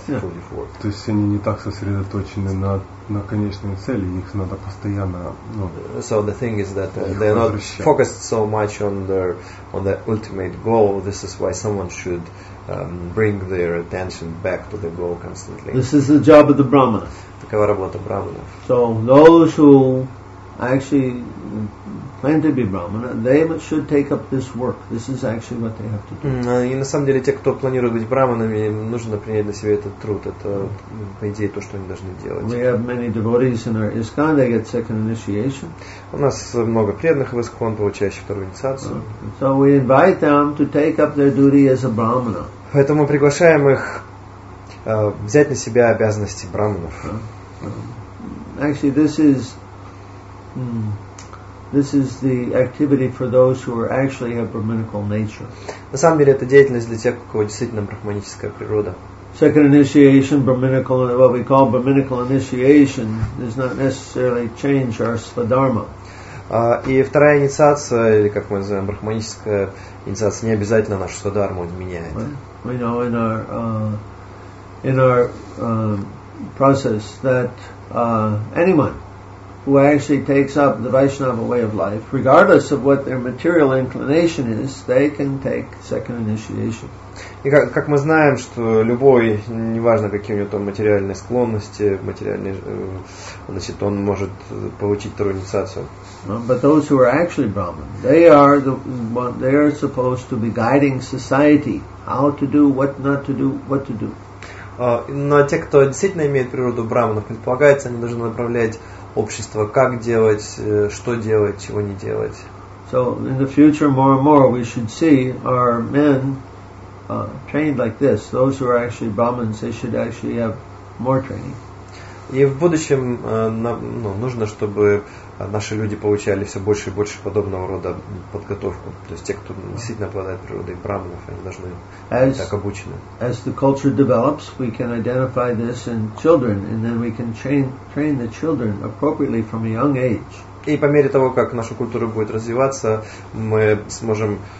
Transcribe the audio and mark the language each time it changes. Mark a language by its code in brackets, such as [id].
[ru] То есть они не так сосредоточены на конечной цели, их надо постоянно. [en] So the thing is that they're not focused so much on the ultimate goal. This is why someone should bring their attention back to the goal constantly. This is the job of the brahmana. [ru] Такова работа брахмана. [en] So those who actually plan to be brahmana, they should take up this work. This is actually what they have to do. [ru] И на самом деле те, кто планирует быть брахманами, нужно принять на себя этот труд. Это по идее то, что они должны делать. [en] We have many devotees in our ISKCON. They get second initiation. [ru] У нас много преданных в ISKCON, получающих вторую инициацию. [en] So we invite them to take up their duty as a brahmana. [ru] Поэтому приглашаем их взять на себя обязанности брахманов. [en] Actually, this is the activity for those who are actually have brahminical nature. [ru] На самом деле это деятельность для тех, у кого действительно брахманическая природа. [en] Second initiation, brahminical, what we call brahminical initiation, does not necessarily change our svadharma. [ru] И вторая инициация, или как мы называем брахманическая инициация, не обязательно нашу свадхарму меняет. [en] We know in our process that anyone who actually takes up the Vaishnava way of life, regardless of what their material inclination is, they can take second initiation. [ru] И как мы знаем, что любой, неважно какие у него там материальные склонности, значит, он может получить вторую инициацию. [en] But those who are actually Brahman, they are supposed to be guiding society how to do, what not to do, what to do. [ru] Но те, кто действительно имеет природу брахманов, предполагается, они должны направлять общество, как делать, что делать, чего не делать. [en] So in the future, more and more, we should see our men trained like this. Those who are actually brahmins, they should actually have more training. [ru] И в будущем нужно, чтобы наши люди получали все больше и больше подобного рода подготовку. То есть те, кто действительно обладает природой брахманов, они должны быть так обучены. [en] As the culture develops, we can identify this in children, and then we can train the children appropriately from a young age. [ru] И по мере того, как наша культура будет развиваться, мы сможем